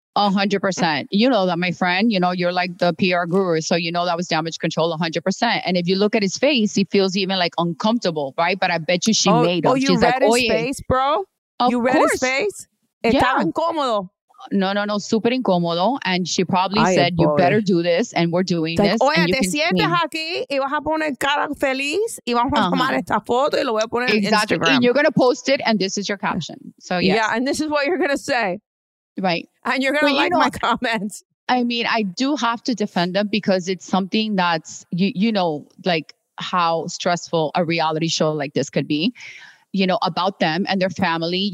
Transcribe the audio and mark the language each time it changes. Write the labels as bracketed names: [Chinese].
[English] 100%. You know that, my friend. You know, you're like the PR guru. So you know that was damage control 100%. And if you look at his face, he feels even like uncomfortable, right? But I bet you she made him. Oh, you read his face, bro? You read his face? [Spanish] Estaba incómodo. No. Super incómodo. [English] And she probably said, you better do this. And we're doing this. [Spanish] Oye, te sientes aquí y vas a poner cara feliz y vamos a tomar esta foto y lo voy a poner en Instagram. [English] Exactly. And you're going to post it and this is your caption. So yes. Yeah, and this is what you're going to say. Right. And you're going to like my comments. I mean, I do have to defend them because it's something that's, you know, like how stressful a reality show like this could be, you know, about them and their family.